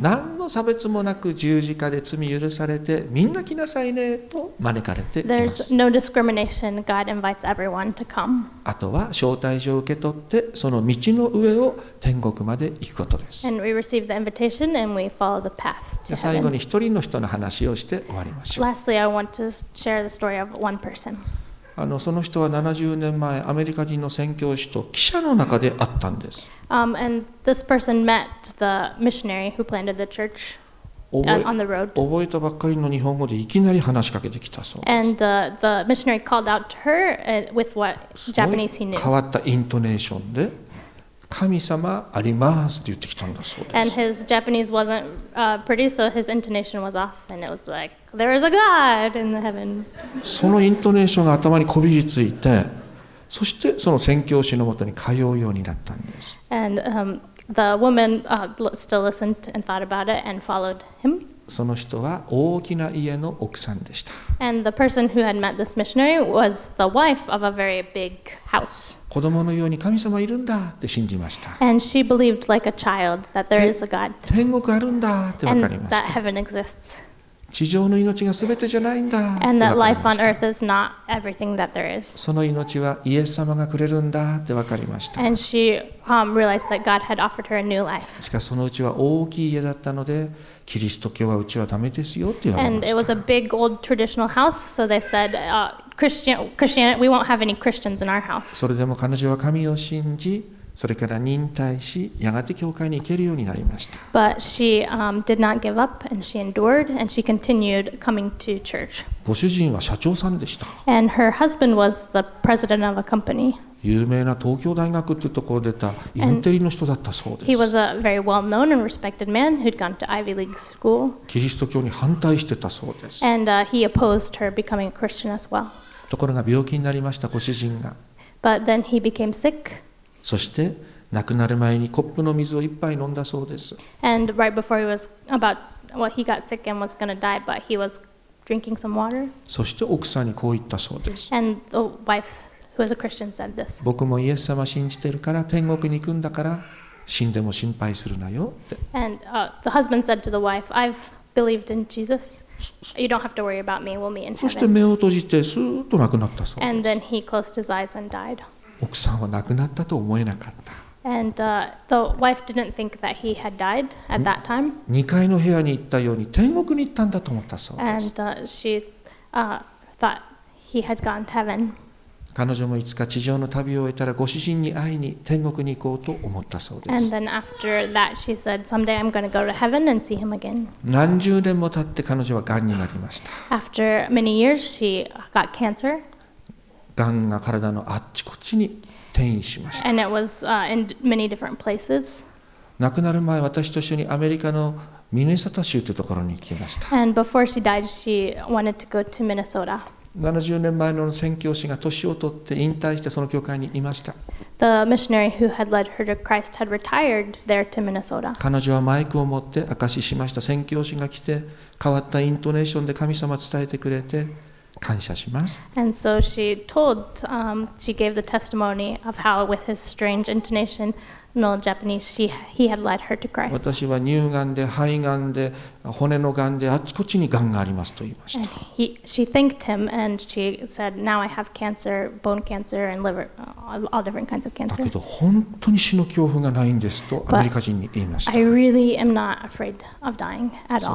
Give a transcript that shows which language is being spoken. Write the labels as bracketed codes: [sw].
[ja] 何の差別もなく十字架で罪許されて、みんな来なさいねと招かれています。 [en] There's no discrimination. God invites everyone to come. [ja] あとは招待状を受け取って、その道の上を天国まで行くことです。 [en] And we receive the invitation and we follow the path to heaven. [ja] 最後に一人の人の話をして終わりましょう。 [en] Lastly, I want to share the story of one person. [ja] その人は70年前アメリカ人の宣教師と記者の中で会ったんです。 [en] And this person met the missionary who planted the church. [ja] 覚えたばっかりの日本語でいきなり話しかけてきたそうです。 [en] And the missionary called out to her with what Japanese he knew. [ja] 変わったイントネーションで神様ありますって言ってきたんだそうです。 [en] And his Japanese wasn't pretty, so his intonation was off, and it was like there is a God in the heaven. [ja] そのイントネーションが頭にこびりついて、そしてその宣教師のもとに通うようになったんです。 [en] And the woman still listened and thought about it and followed him. [ja] その人は大きな家の奥さんでした。 [en] And the person who had met this missionary was the wife of a very big house. [ja] 子供のように神様いるんだって信じました。 [en] And she believed like a child that there is a God. [ja] 天国あるんだって分かりました。 [en] And that heaven exists. [ja] 地上の命が全てじゃないんだ。 [en] And that life on earth is not everything that there is. [ja] その命はイエス様がくれるんだって分かりました。 [en] And she realized that God had offered her a new life. [ja] しかしそのうちは大きい家だったので、キリスト教はうちはダメですよって言われました。 [en] And it was a big old traditional house, so they said, Christianity, we won't have any Christians in our house. [ja] それでも彼女は神を信じ、それから忍耐し、やがて教会に行けるようになりました。 [en] But she did not give up, and she endured, and she continued coming to church. [ja] ご主人は社長さんでした。 [en] And her husband was the president of a company. [ja] 有名な東京大学っていうところ出たインテリの人だったそうです。 [en] He was a very well-known and respected man who'd gone to Ivy League school. [ja] キリスト教に反対してたそうです。 [en] And he opposed her becoming a Christian as well. [ja] ところが病気になりました、ご主人が。 [en] But then he became sick. [ja] そして亡くなる前にコップの水を一杯飲んだそうです。 [en] And right before he was about, well, he got sick and was going to die, but he was drinking some water. [ja] そして奥さんにこう言ったそうです。 [en] And the wife, who was a Christian, said this. [ja] 僕もイエス様信じてるから天国に行くんだから死んでも心配するなよって。 [en] And the husband said to the wife, I've believed in Jesus. You don't have to worry about me. We'll meet in heaven. [ja] そして目を閉じてスーッと亡くなったそうです。 [en] And then he closed his eyes and died. [ja] 奥さんは亡くなったと思えなかった。 [en] And the wife didn't think that he had died at that time. [ja] 2階の部屋に行ったように天国に行ったんだと思ったそうです。 [en] And she thought he had gone to heaven. [ja] 彼女もいつか地上の旅を終えたらご主人に会いに天国に行こうと思ったそうです。 [en] And then after that, she said, someday I'm going to go to heaven and see him again. [ja] 何十年も経って彼女は癌になりました。 [en] After many years, she got cancer. [ja] がんが体のあっちこっちに転移しました。 [en] And it was, in many different places. [ja] 亡くなる前、私と一緒にアメリカのミネソタ州というところに行きました。 [en] And before she died, she wanted to go to Minnesota. [ja] 70年前の宣教師が年を取って引退してその教会にいました。 [en] The missionary who had led her to Christ had retired there to Minnesota. [ja] 彼女はマイクを持って証ししました。宣教師が来て変わったイントネーションで神様伝えてくれて感謝します。 [en] And so she told, she gave the testimony of how with his strange intonation, no Japanese, he had led her to Christ. [ja] 私は乳がんで、肺がんで、骨のがんで、あちこちにがんがありますと言いました。 [en] And she thanked him and she said, now I have cancer, bone cancer and liver, all different kinds of cancer. [ja] だけど本当に死の恐怖がないんですとアメリカ人に言いました。 [en] But I really am not afraid of dying at all.